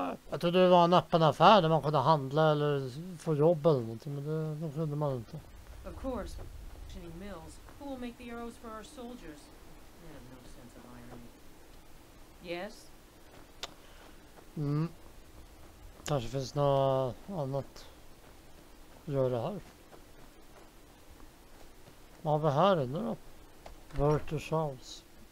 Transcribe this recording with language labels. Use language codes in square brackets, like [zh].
[sv] Jag trodde det var en öppen affär där man kunde handla eller få jobb eller någonting, men det kunde man inte. [en] Of course, Jenny Mills. Who will make the arrows for our soldiers? They have no sense of irony. Yes? Mm. [sv] Kanske finns något annat att göra här. Vad har vi här inne då? Virtual Charles.